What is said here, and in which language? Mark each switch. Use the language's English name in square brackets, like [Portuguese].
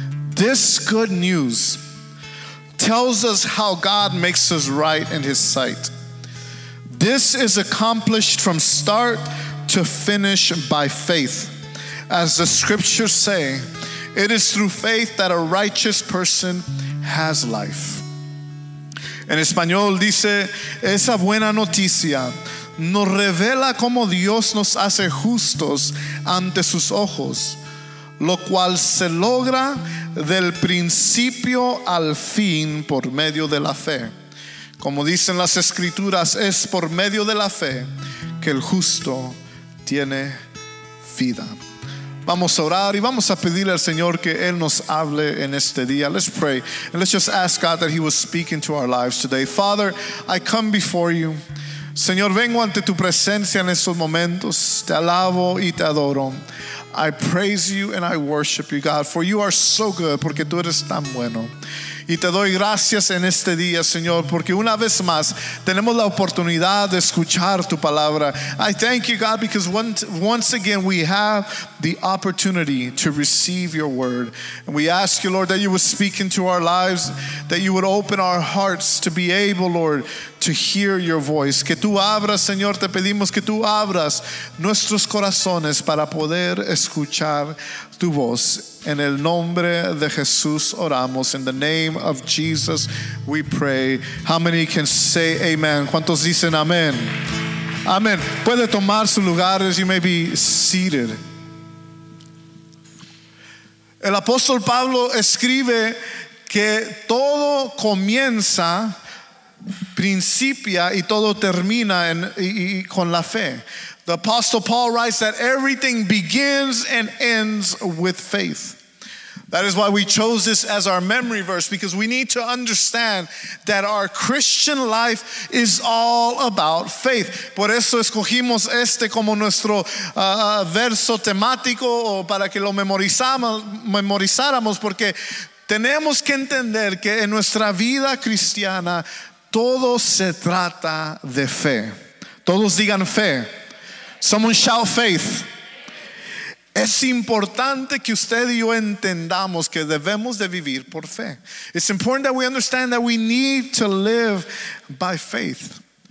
[English] This good news tells us how God makes us right in his sight. This is accomplished from start to finish by faith. As the scriptures say, it is through faith that a righteous person has life. [Spanish] En español dice, esa buena noticia nos revela cómo Dios nos hace justos ante sus ojos, lo cual se logra del principio al fin por medio de la fe. Como dicen las escrituras, es por medio de la fe que el justo tiene vida. Vamos a orar y vamos a pedirle al Señor que Él nos hable en este día. [English] Let's pray and let's just ask God that He will speak into our lives today. Father, I come before you. [Spanish] Señor, vengo ante tu presencia en estos momentos. Te alabo y te adoro. [English] I praise you and I worship you, God, for you are so good, [Spanish] porque tú eres tan bueno. Y te doy gracias en este día, Señor, porque una vez más tenemos la oportunidad de escuchar tu palabra. [English] I thank you, God, because once again we have the opportunity to receive your word. And we ask you, Lord, that you would speak into our lives, that you would open our hearts to be able, Lord, to hear your voice. [Spanish] Que tú abras, Señor, te pedimos que tú abras nuestros corazones para poder escuchar tu voz. En el nombre de Jesús oramos. [English] In the name of Jesus we pray. How many can say amen? [Spanish] ¿Cuántos dicen amén? Amén. Puede tomar sus lugares. [English] You may be seated. [Spanish] El apóstol Pablo escribe que todo comienza, principia y todo termina en, y con la fe. [English] The apostle Paul writes that everything begins and ends with faith. That is why we chose this as our memory verse, because we need to understand that our Christian life is all about faith. [Spanish] Por eso escogimos este como nuestro verso temático, o para que lo memorizáramos, porque tenemos que entender que en nuestra vida cristiana todo se trata de fe. Todos digan fe. [English] Someone shout faith. [Spanish] Es importante que usted y yo entendamos que debemos de vivir por fe. [English] It's important that we understand that we need to live by faith.